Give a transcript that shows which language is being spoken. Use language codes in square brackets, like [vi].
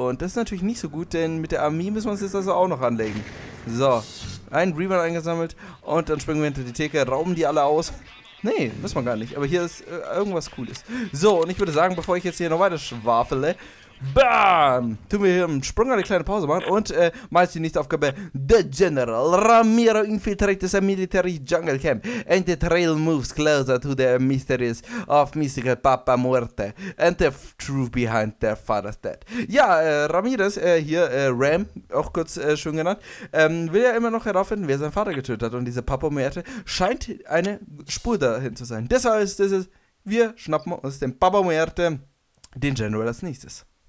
[de] Und das ist natürlich nicht so gut, denn mit der Armee müssen wir uns jetzt also auch noch anlegen. So, einen Rebound eingesammelt und dann springen wir hinter die Theke, rauben die alle aus. Nee, müssen wir gar nicht, aber hier ist irgendwas Cooles. So, und ich würde sagen, bevor ich jetzt hier noch weiter schwafele, BAM! Tun wir hier im Sprung eine kleine Pause machen und meist die nächste Aufgabe. [en] The General Ramiro infiltrates a military jungle camp and the trail moves closer to the mysteries of mystical Papa Muerte and the truth behind their father's death. [de] Ja, Ramirez, hier Ram, auch kurz schön genannt, will ja immer noch herausfinden, wer seinen Vater getötet hat und diese Papa Muerte scheint eine Spur dahin zu sein. Deshalb ist es, wir schnappen uns den Papa Muerte, den General als nächstes.